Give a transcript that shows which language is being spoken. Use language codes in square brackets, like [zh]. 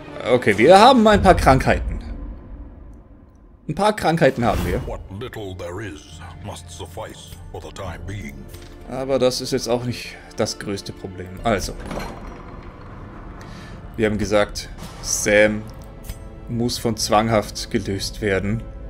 [de] Okay, wir haben ein paar Krankheiten. Ein paar Krankheiten haben wir. [en] What little there is must suffice for the time being. [de] Aber das ist jetzt auch nicht das größte Problem. Also, wir haben gesagt, Sam muss von zwanghaft gelöst werden.